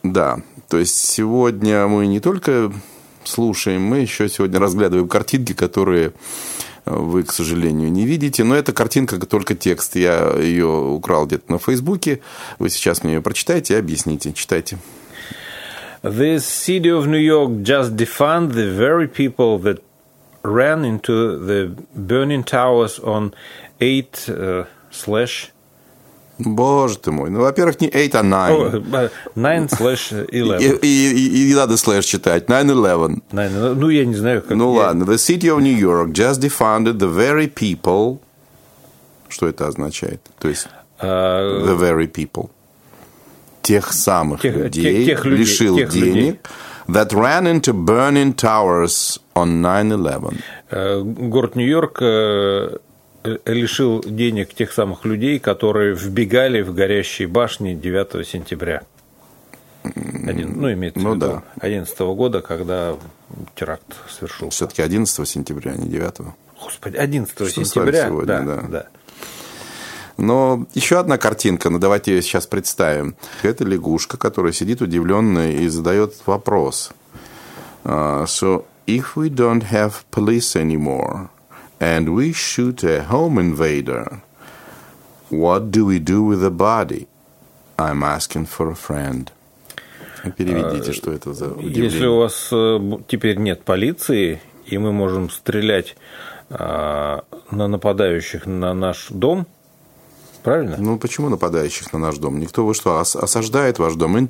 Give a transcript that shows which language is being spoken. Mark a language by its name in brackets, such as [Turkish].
[Russian] Да. То есть, сегодня мы не только слушаем, мы еще сегодня разглядываем картинки, которые вы, к сожалению, не видите. Но эта картинка только текст. Я ее украл где-то на Фейсбуке. Вы сейчас мне ее прочитаете и объясните. Читайте. [English] The city of New York just defund the very people that ran into the burning towers on 8 slash... [Russian] Боже ты мой. Ну, во-первых, не 8, а 9. [English] 9 slash 11. [Russian] И не надо slash читать. 9-11. Ну, я не знаю, как... Ну, я... ладно. [English] The city of New York just defunded the very people... [Russian] Что это означает? То есть, [English] the very people. [Russian] Тех самых людей лишил тех денег, людей. [English] That ran into burning towers on 9-11. [Russian] Город Нью-Йорк лишил денег тех самых людей, которые вбегали в горящие башни 9 сентября. Имеется в виду 11-го года, когда теракт совершился. Все-таки 11 сентября, а не 9-го. Господи, 11 сентября. Что с вами сегодня, да. Но еще одна картинка, но давайте ее сейчас представим. Это лягушка, которая сидит удивленная и задает вопрос. [English] So, if we don't have police anymore, and we shoot a home invader, what do we do with the body? I'm asking for a friend. [Russian] Переведите, что это за удивление. Если у вас теперь нет полиции, и мы можем стрелять на нападающих на наш дом... Правильно? Ну, почему нападающих на наш дом? Никто, вы что, осаждает ваш дом?